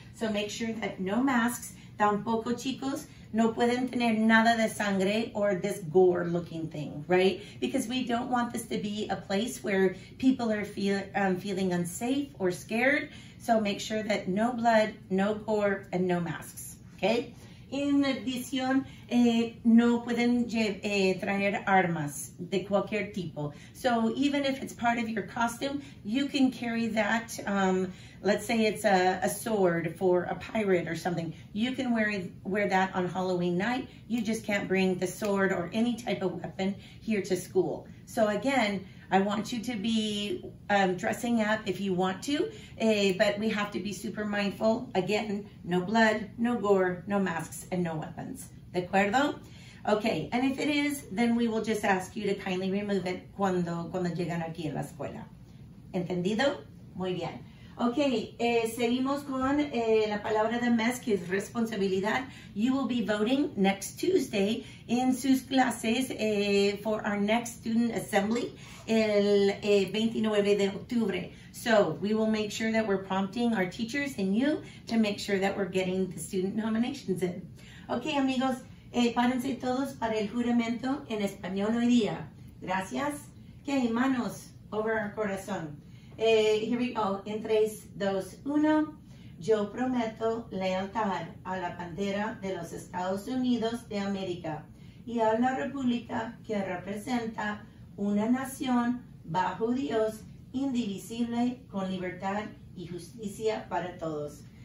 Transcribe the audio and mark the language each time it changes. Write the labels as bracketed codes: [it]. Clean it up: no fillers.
[en] So make sure that no masks, [es] tampoco chicos, no pueden tener nada de sangre [en] or this gore looking thing, right? Because we don't want this to be a place where people are feeling unsafe or scared. So make sure that no blood, no gore, and no masks, okay? [es] En adición, no pueden traer armas de cualquier tipo. [en] So even if it's part of your costume, you can carry that. Let's say it's a sword for a pirate or something. You can wear that on Halloween night. You just can't bring the sword or any type of weapon here to school. So again, I want you to be dressing up if you want to, but we have to be super mindful. Again, no blood, no gore, no masks, and no weapons. [es] ¿De acuerdo? [en] Okay, and if it is, then we will just ask you to kindly remove it [es] cuando llegan aquí a la escuela. ¿Entendido? Muy bien. Okay, seguimos con la palabra de mes, que es responsabilidad. [en] You will be voting next Tuesday in [es] sus clases [en] for our next student assembly [es] el 29 de octubre. [en] So we will make sure that we're prompting our teachers and you to make sure that we're getting the student nominations in. [es] Okay, amigos, párense todos para el juramento en español hoy día. Gracias. Okay, manos [en] over our [es] corazón. [en] Here we go, [es] en 3, 2, 1, yo prometo lealtad a la bandera de los Estados Unidos de América y a la República que representa una nación bajo Dios, indivisible, con libertad y justicia para todos.